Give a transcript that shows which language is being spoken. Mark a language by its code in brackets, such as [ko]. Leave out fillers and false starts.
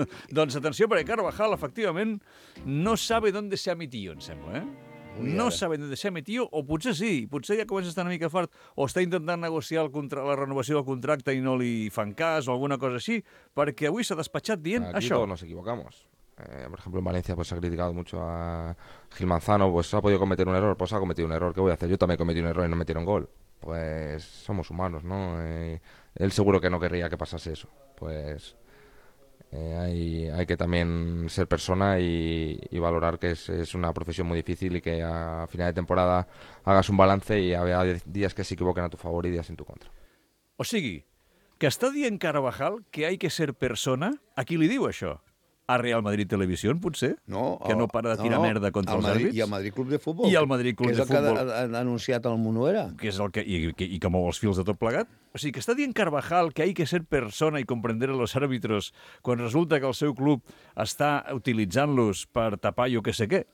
[ca] Doncs atenció, perquè Carvajal, efectivament, [es] no sabe dónde se ha metido, [ca] em sembla, eh? [es] No saben de ser metió, [ca] o potser sí, potser ja comença a estar una mica fart, o està intentant negociar la renovació del contracte i no li fan cas, o alguna cosa així, perquè avui s'ha despatxat dient aquí això. [es] Aquí todos nos equivocamos. Por ejemplo, en Valencia pues, se ha criticado mucho a Gil Manzano, pues ha podido cometer un error, pues ha cometido un error, ¿qué voy a hacer? Yo también cometí un error y no metieron gol. Pues somos humanos, ¿no? Él seguro que no querría que pasase eso, pues... Hay que también ser persona y valorar que es una profesión muy difícil y que a final de temporada hagas un balance y haya días que se equivoquen a tu favor y días en tu contra. [ca] O sigui, que està dient Carvajal que [es] hay que ser persona, [ca] a qui li diu això? a Real Madrid Televisió, potser? No. Que no para de tirar merda contra els àrbits? I al Madrid Club de Futbol. I al Madrid Club de Futbol. Que és el que ha anunciat el Monuera. Que és el que... I que mou els fils de tot plegat. O sigui, que està dient Carvajal que [es] hay que ser persona [ca] i comprendre [es] los árbitros [ca] quan resulta que el seu club està utilitzant-los per tapar jo què sé què.